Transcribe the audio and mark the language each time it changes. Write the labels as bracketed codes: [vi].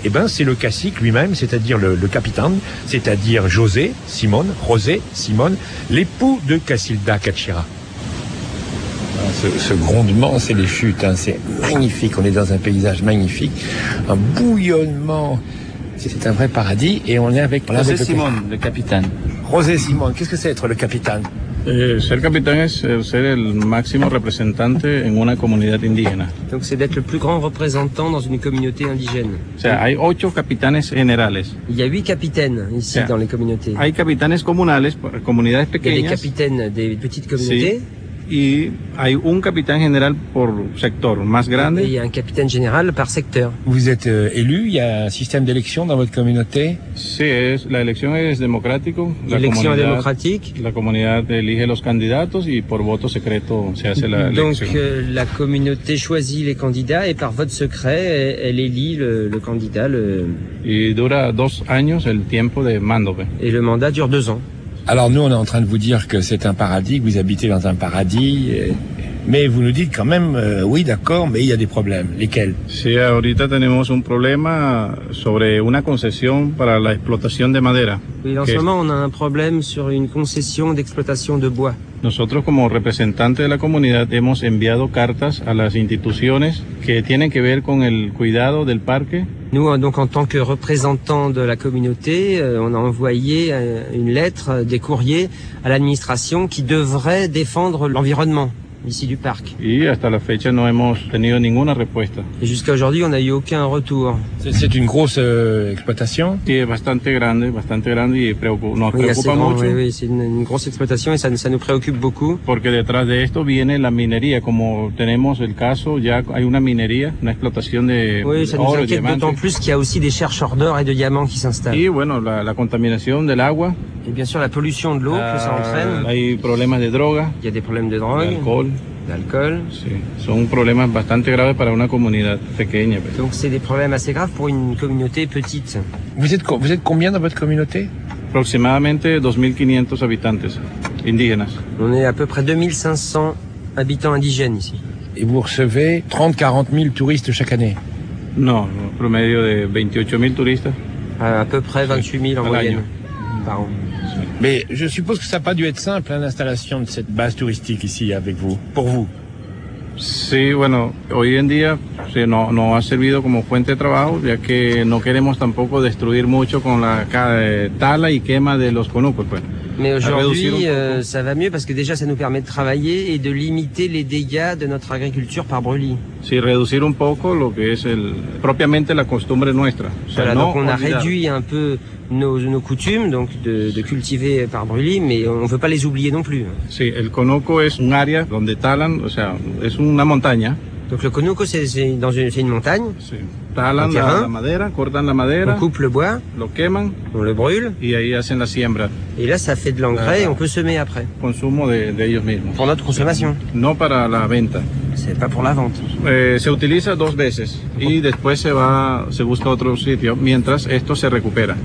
[fr] Et ben c'est le cacique lui-même, c'est-à-dire le capitaine, c'est-à-dire José Simón, l'époux de Casilda Cachira. Ce grondement, c'est les chutes, hein, c'est magnifique, on est dans un paysage magnifique, un bouillonnement. C'est un vrai paradis, et on est avec José Simón, le capitaine. José Simón, qu'est-ce que c'est être le capitaine? [es] Ser capitán es ser el máximo representante en una comunidad indígena. [fr] Donc c'est d'être le plus grand représentant dans une communauté indigène. [es] O sea, hay 8 capitanes generales. [fr] Il y a 8 capitaines ici, [en] yeah, [fr] dans les communautés. [es] Hay capitanes comunales, comunidades pequeñas. [fr] Il y a des capitaines des petites communautés. [es] Sí. Y hay un capitán general por sector más grande. [fr] Il y a un capitaine général par secteur. Vous êtes élu, il y a un système d'élection dans votre communauté? [es] Sí, la [fr] élection est démocratique. L'élection est démocratique. [es] La comunidad elige los candidatos y por voto secreto se hace la [fr] élection. Donc la communauté choisit les candidats et par vote secret elle élit le candidat. [es] Y dura 2 años el tiempo de mando. [fr] Et le mandat dure 2 ans. Alors nous, on est en train de vous dire que c'est un paradis, que vous habitez dans un paradis, mais vous nous dites quand même, oui, d'accord, mais il y a des problèmes. Lesquels? [es] Sí, ahorita tenemos un problema sobre una concesión para la explotación de madera. [fr] Oui, en ce moment, on a un problème sur une concession d'exploitation de bois. [es] Nosotros como representantes de la comunidad hemos enviado cartas a las instituciones que tienen que ver con el cuidado del parque. [fr] Nous, donc, en tant que représentants de la communauté, on a envoyé une lettre, des courriers à l'administration qui devrait défendre l'environnement ici du parc. [es] Y hasta la fecha no hemos tenido ninguna respuesta. [fr] Et jusqu'à aujourd'hui, on n'a eu aucun retour. C'est une grosse exploitation? [es] Sí, bastante grande y nos preocupa mucho. [fr] Oui, c'est une grosse exploitation et ça nous préoccupe beaucoup. [es] Porque detrás de esto viene la minería, como tenemos el caso, ya hay una minería, una explotación de oro y diamantes. [fr] Oui, ça nous inquiète d'autant plus qu'il y a aussi des chercheurs d'or et de diamants qui s'installent. [es] Y bueno, la contaminación del agua. [fr] Et bien sûr, la pollution de l'eau que ça entraîne. [es] Hay problemas de droga. [fr] Il y a des problèmes de drogue. D'alcool. [es] Sí. Son problemas bastante graves para una comunidad pequeña. [fr] Donc c'est des problèmes assez graves pour une communauté petite. Vous êtes combien dans votre communauté? [es] Aproximadamente 2500 habitantes indígenas. [fr] On est à peu près 2500 habitants indigènes ici. Et vous recevez 30-40 000 touristes chaque année? Non, [es] promedio de 28 000 [fr] touristes. À peu près 28 000 en moyenne par an. Mais je suppose que ça n'a pas dû être simple, hein, l'installation de cette base touristique ici avec vous, pour vous. [es] Sí, bueno, hoy en día sí, no ha servido como fuente de trabajo, ya que no queremos tampoco destruir mucho con la tala y quema de los conucos, pues. [fr] Mais aujourd'hui, ça va mieux parce que déjà, ça nous permet de travailler et de limiter les dégâts de notre agriculture par brûlis. [es] Si, [fr] réduire [es] un poco lo que es el, propiamente la costumbre nuestra. [fr] Voilà, donc on a réduit un peu nos coutumes, donc de cultiver par brûlis, mais on ne veut pas les oublier non plus. [es] Si, el conoco es un área donde talan, o sea, es una montaña. [fr] Donc le conuco, c'est une montagne. [es] Si. Talan la madera, cortan la madera. [fr] On coupe le bois. [es] Lo queman. [fr] On le brûle. [es] Y ahí hacen la siembra. [fr] Et là, ça fait de l'engrais et on peut semer après. [es] Consumo de ellos mismos. [fr] Pour notre consommation. [es] No para la venta. [fr] C'est pas pour la vente. [es] Se utiliza dos veces. Y después se busca otro sitio, mientras esto se recupera.